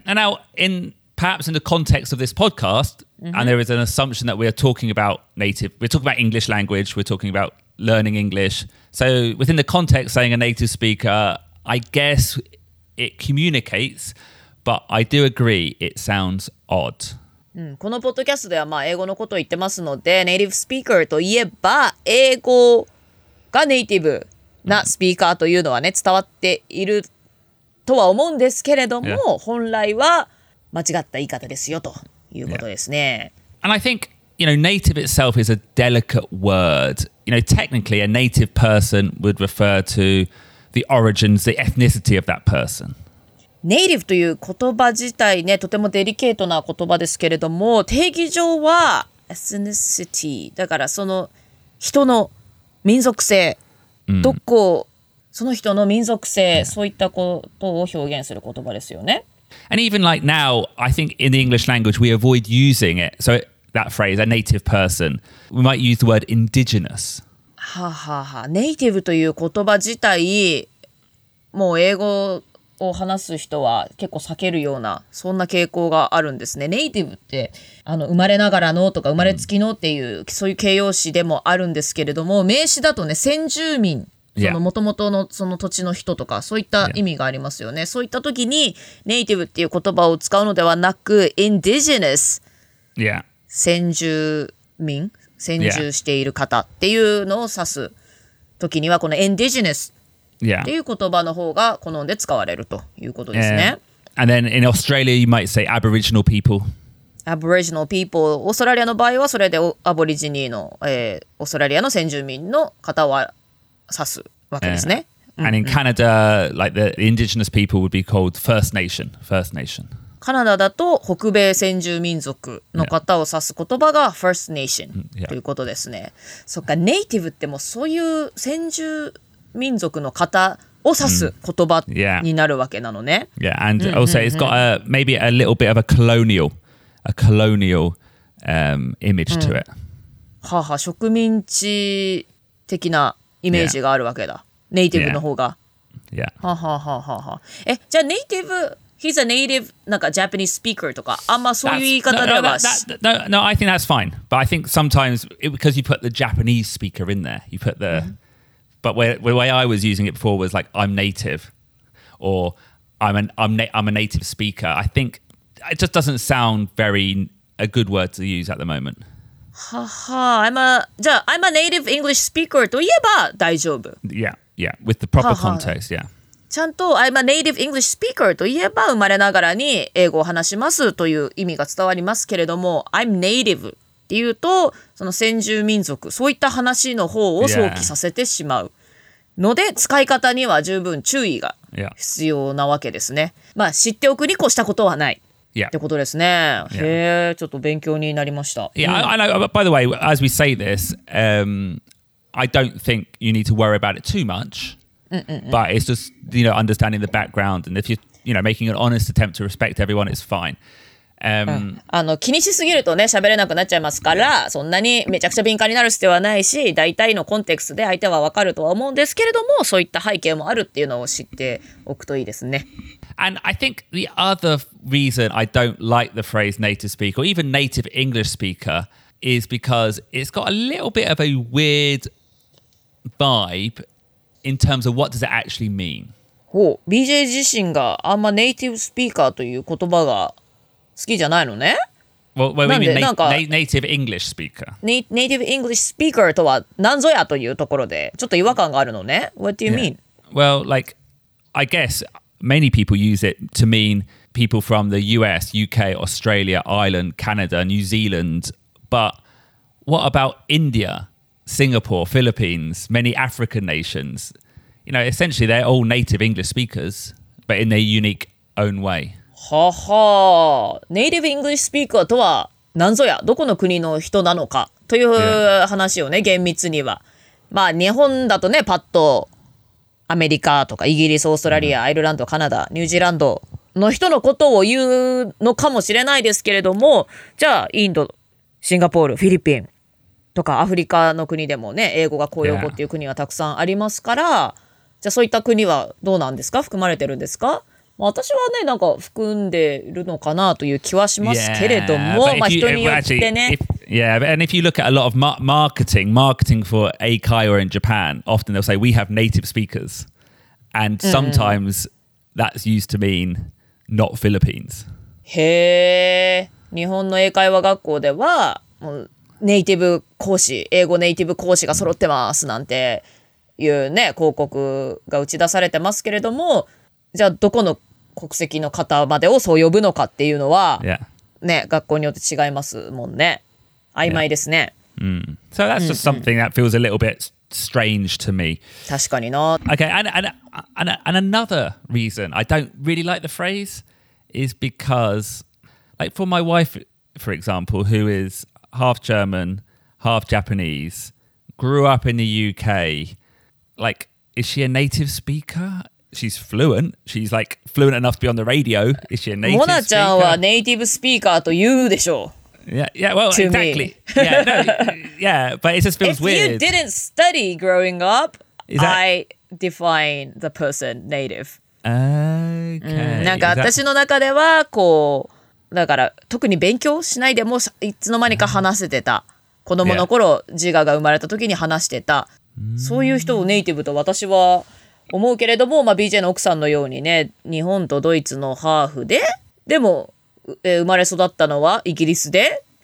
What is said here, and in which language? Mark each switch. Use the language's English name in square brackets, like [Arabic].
[English] And now, in perhaps in the context of this podcast,Mm-hmm. And there is an assumption that we are talking about native. We're talking about English language. We're talking about learning English. So within the context, saying a native speaker, I guess it communicates, but I do agree it sounds odd. [Japanese] このポッドキャストではまあ英語のことを言ってますので、ネイティブスピーカーといえば英語がネイティブなスピーカーというのはね、伝わっているとは思うんですけれども、yeah. 本来は間違った言い方ですよと。 [English] Yeah. And I think, you know, native itself is a delicate word. You know, technically, a native person would refer to the origins, the ethnicity of that person. [Japanese] Native という言葉自体ね、とてもデリケートな言葉ですけれども、定義上は ethnicity。だからその人の民族性、どこ、その人の民族性、そういったことを表現する言葉ですよね。 [English] And even like now, I think in the English language, we avoid using it. So that phrase, a native person, we might use the word indigenous. [Japanese] はははネイティブという言葉自体、もう英語を話す人は結構避けるような、そんな傾向があるんですね。ネイティブって、生まれながらのとか生まれつきのっていう、そういう形容詞でもあるんですけれども、名詞だとね、先住民。もともとのその土地の人とかそういった意味がありますよね、yeah. そういった時にネイティブっていう言葉を使うのではなく indigenous、 [English] yeah. [Japanese] 先住民先住している方っていうのを指す時にはこの indigenous っていう言葉の方が好んで使われるということですね、 [English] yeah. And then in Australia you might say aboriginal people [Japanese] aboriginal people オーストラリアの場合はそれでアボリジニーの、オーストラリアの先住民の方は指すわけですね。 [English] And in Canada, like the indigenous people would be called First Nation. First Nation. [Japanese] カナダだと北米先住民族の方を指す言葉が First Nation ということですね。Yeah. そっか、ネイティブってもそういう先住民族の方を指す言葉になるわけなのね。 [English] Yeah, and also it's got a, maybe a little bit of a colonial image to it. [Japanese] はは、植民地的なイメージがあるわけだ。 Yeah. ネイティブの方が。 [English] Yeah. [Japanese] ははははは。え、じゃあネイティブ、 [English] he's a native [Japanese] なんか Japanese speaker とか、あんまそういう言い方では。 [English] No, I think that's fine. But I think sometimes it, because you put the Japanese speaker in there, you put the. But the way I was using it before was like I'm native, or I'm a native speaker. I think it just doesn't sound very a good word to use at the moment. [Japanese] ははじゃあ、 [English] I'm a native English speaker [Japanese] といえば大丈夫。 [English] Yeah, yeah, with the proper context, yeah. [Japanese] ちゃんと、 [English] I'm a native English speaker [Japanese] といえば生まれながらに英語を話しますという意味が伝わりますけれども、 [English] I'm native [Japanese] っていうと、その先住民族、そういった話の方を想起させてしまうので、使い方には十分注意が必要なわけですね。まあ、知っておくに越したことはない。 [English] Yeah. [Japanese] ってことですね。 [English] Yeah. [Japanese] へえ、ちょっと勉強になりました。 [English] Yeah, I know. But by the way, as we say this, I don't think you need to worry about it too much. But it's just, you know, understanding the background. And if you're, you know, making an honest attempt to respect everyone, it's fine. [Japanese] あの気にしすぎるとね喋れなくなっちゃいますから、yeah. そんなにめちゃくちゃ敏感になる必要はないし大体のコンテクストで相手は分かるとは思うんですけれどもそういった背景もあるっていうのを知っておくといいですね [English] And I think the other reason I don't like the phrase native speaker or even native English speaker is because it's got a little bit of a weird vibe in terms of what does it actually mean [Japanese] お BJ 自身があんまネイティブスピーカーという言葉が好きじゃないのね。 [English] Native English speaker. [Japanese] Native English speaker とは何ぞやというところでちょっと違和感があるのね。 [English] What do you mean? Well, like, I guess many people use it to mean people from the US, UK, Australia, Ireland, Canada, New Zealand. But what about India, Singapore, Philippines, many African nations? You know, essentially they're all native English speakers, but in their unique own way. [Japanese] ははネイティブイングリッシュスピーカーとは何ぞやどこの国の人なのかという話をね厳密にはまあ日本だとねパッとアメリカとかイギリスオーストラリアアイルランドカナダニュージーランドの人のことを言うのかもしれないですけれどもじゃあインドシンガポールフィリピンとかアフリカの国でもね英語が公用語っていう国はたくさんありますからじゃあそういった国はどうなんですか含まれてるんですか私はね、なんか含んでるのかなという気はしますけれども、 [English] yeah, [Japanese] まあ人によってね。 [English] Yeah, and if you look at a lot of marketing for Eikaio in Japan, often they'll say, we have native speakers. And sometimes that's used to mean not Philippines. [Japanese] へー、日本の英会話学校では、もうネイティブ講師、英語ネイティブ講師が揃ってますなんていうね、広告が打ち出されてますけれども、じゃあどこの国籍の方までをそう呼ぶのかっていうのは、 [English] yeah. [Japanese] ね、学校によって違いますもんね。曖昧ですね。 [English] Yeah. Mm. So that's just something that feels a little bit strange to me. [Japanese] 確かにな。 [English] Okay, and another reason I don't really like the phrase is because, like for my wife, for example, who is half German, half Japanese, grew up in the UK, like, is she a native speaker? She's fluent. She's like fluent enough to be on the radio. Is she a native speaker? [Japanese] Mona ちゃんは native speaker と言うでしょう。 [English] Yeah, well, exactly. Yeah, no, yeah, but it just feels weird. If you didn't study growing up, I define the person native. Okay. [Japanese] なんか私の中ではこうだから特に勉強しないでもいつの間にか話せてた。子供の頃自我が生まれた時に話してた。そういう人をネイティブと私は思うけれども、まあ、BJ の奥さんのようにね、日本とドイツのハーフで、でも、生まれ育ったのはイギリスで。